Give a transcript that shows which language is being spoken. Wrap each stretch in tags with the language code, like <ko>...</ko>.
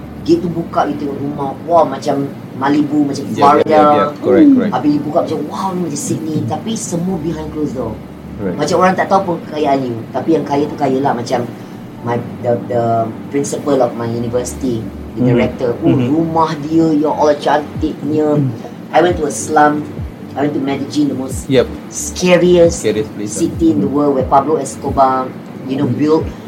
<ms>Gate tu buka, you tengok rumah. Wah, macam Malibu, macam Florida.</ms> <en>Correct.</en> <ms>Habis you buka macam wow, ni macam Sydney. Tapi semua</ms> <en>behind closed door. Right.</en> <ms>Macam orang tak tahu pun kekayaan you. Tapi yang kaya tu kaya lah.</ms> <en>Macam the principal of my university, the director.</en> <ms>Rumah dia, ya Allah, cantiknya.</ms> <en>I went to a slum. I went to Medellin, the most scariest place city in the world, where Pablo Escobar, you know, built.</en>